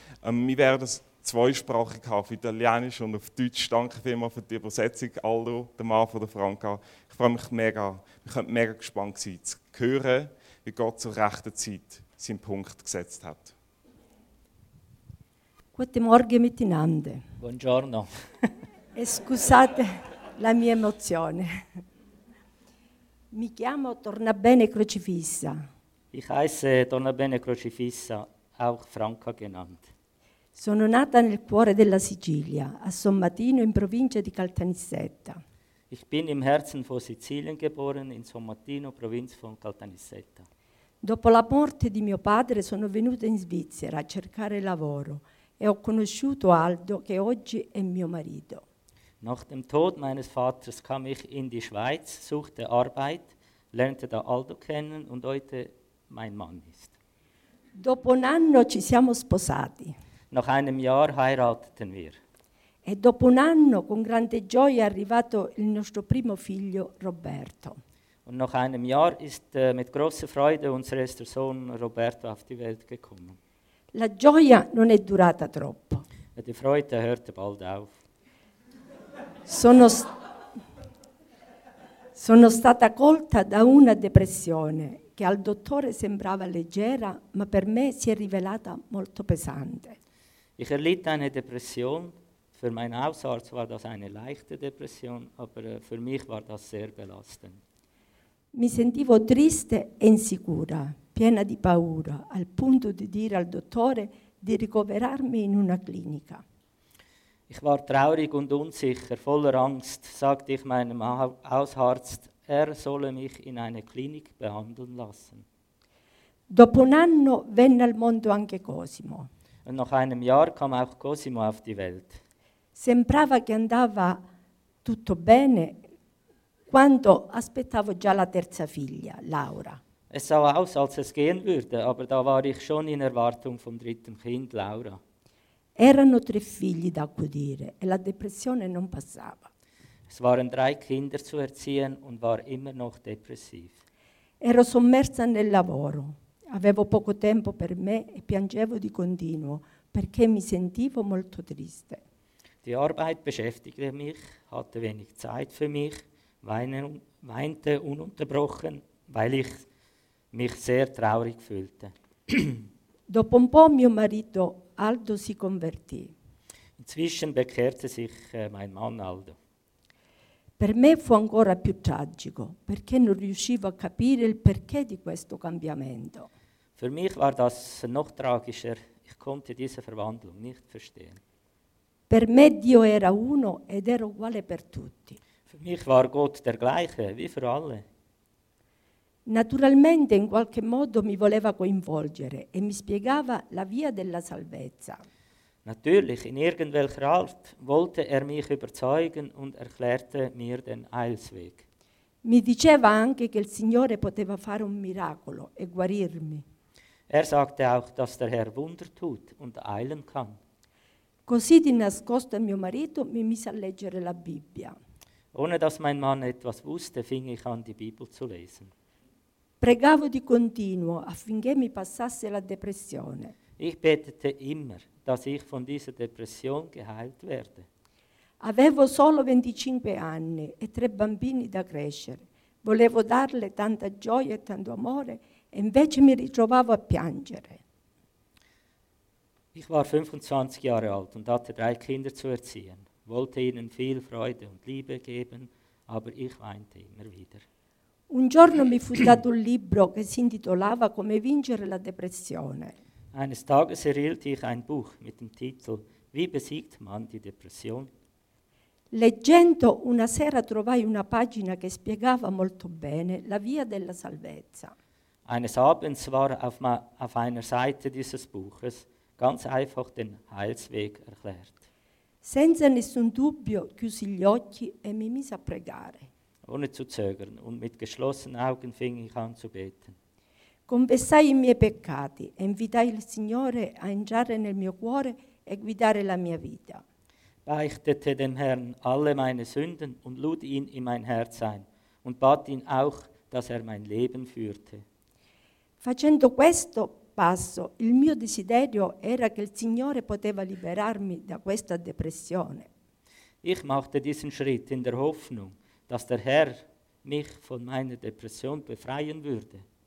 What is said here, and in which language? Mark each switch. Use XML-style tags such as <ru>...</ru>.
<de>Wir werden es zweisprachig haben, auf Italienisch und auf Deutsch. Danke vielmals für die Übersetzung, Aldo, der Mann von der Franka. Ich freue mich mega. Wir können mega gespannt sein, zu hören, wie Gott zur rechten Zeit seinen Punkt gesetzt hat. Guten Morgen miteinander.</de> <it>Buongiorno. Scusate la mia emozione. Mi chiamo Tornabene Crocifissa.</it> <de>Ich heiße Tornabene Crocifissa, auch Franca genannt.</de> <it>Sono nata nel cuore della Sicilia, a Sommatino in provincia di Caltanissetta.</it> <de>Ich bin im Herzen von Sizilien geboren, in Sommatino, Provinz von Caltanissetta.</de> <it>Dopo la morte di mio padre sono venuta in Svizzera a cercare lavoro e ho conosciuto Aldo, che oggi è mio marito.</it> <de>Nach dem Tod meines Vaters kam ich in die Schweiz, suchte Arbeit, lernte da Aldo kennen und heute mein Mann ist.</de> <it>Dopo un anno ci siamo sposati.</it> <de>Nach einem Jahr heirateten wir.</de> <it>E dopo un anno con grande gioia è arrivato il nostro primo figlio Roberto.</it> <de>Und nach einem Jahr ist mit großer Freude unser erster Sohn Roberto auf die Welt gekommen.</de> <it>La gioia non è durata troppo.</it> <de>E die Freude hörte bald auf.</de> <it>Sono stata colta da una depressione che al dottore sembrava leggera, ma per me si è rivelata molto pesante.</it> <de>Ich erlitt eine Depression. Für meinen Hausarzt war das eine leichte Depression, aber für mich war das sehr belastend.</de> <it>Mi sentivo triste e insicura, piena di paura, al punto di dire al dottore di ricoverarmi in una clinica.</it> <de>Ich war traurig und unsicher, voller Angst, sagte ich meinem Hausarzt, er solle mich in eine Klinik behandeln lassen.</de> <it>Dopo un anno venne al mondo anche Cosimo.</it> <de>Und nach einem Jahr kam auch Cosimo auf die Welt.</de> <it>Sembrava che andava tutto bene quando aspettavo già la terza figlia, Laura.</it> <de>Es sah aus, als es gehen würde, aber da war ich schon in Erwartung vom dritten Kind, Laura.</de> <it>Erano tre figli da accudire e la depressione non passava.</it> <de>Es waren drei Kinder zu erziehen und war immer noch depressiv.</de> <it>Ero sommersa nel lavoro. Avevo poco tempo per me e piangevo di continuo, perché mi sentivo molto triste.</it> <de>Die Arbeit beschäftigte mich, hatte wenig Zeit für mich, weinte ununterbrochen, weil ich mich sehr traurig fühlte.</de> <it>Dopo un po' mio marito Aldo si convertì.</it> <de>Inzwischen bekehrte sich mein Mann Aldo.</de> <it>Per me fu ancora più tragico, perché non riuscivo a capire il perché di questo cambiamento.</it> <de>Für mich war das noch tragischer. Ich konnte diese Verwandlung nicht verstehen.</de> <it>Per me Dio era uno ed ero uguale per tutti.</it> <de>Für mich war Gott der gleiche, wie für alle.</de> <it>Naturalmente in qualche modo mi voleva coinvolgere e mi spiegava la via della salvezza.</it> <de>Natürlich, in irgendwelcher Art, wollte er mich überzeugen und erklärte mir den Heilsweg.</de> <it>Mi diceva anche che il Signore poteva fare un miracolo e guarirmi.</it> <de>Er sagte auch, dass der Herr Wunder tut und heilen kann.</de> <it>Così di nascosto mio marito mi mise a leggere la Bibbia.</it> <de>Ohne dass mein Mann etwas wusste, fing ich an, die Bibel zu lesen.</de> <it>Pregavo di continuo affinché mi passasse la depressione.</it> <de>Ich betete immer, dass ich von dieser Depression geheilt werde.</de> <it>Avevo solo 25 anni e 3 bambini da crescere. Volevo darle tanta gioia e tanto amore e invece mi ritrovavo a piangere.</it> <de>Ich war 25 Jahre alt und hatte 3 Kinder zu erziehen. Wollte ihnen viel Freude und Liebe geben, aber ich weinte immer wieder.</de> <it>Un giorno mi fu dato un libro che si intitolava Come vincere la depressione.</it> <de>Eines Tages erhielt ich ein Buch mit dem Titel Wie besiegt man die Depression?</de> <it>Leggendo una sera trovai una pagina che spiegava molto bene la via della salvezza.</it> <de>Eines Abends war auf einer Seite dieses Buches ganz einfach den Heilsweg erklärt.</de> <it>Senza nessun dubbio chiusi gli occhi e mi mise a pregare.</it> <de>Ohne zu zögern und mit geschlossenen Augen fing ich an zu beten.</de> <it>Confessai i miei peccati e invitai il Signore a entrare nel mio cuore e guidare la mia vita.</it> <de>Beichtete dem Herrn alle meine Sünden und lud ihn in mein Herz ein und bat ihn auch, dass er mein Leben führte.</de> <it>Facendo questo passo, il mio desiderio era che il Signore poteva liberarmi da questa depressione.</it> <de>Ich machte diesen Schritt in der Hoffnung, dass der Herr mich von meiner Depression befreien würde.</de>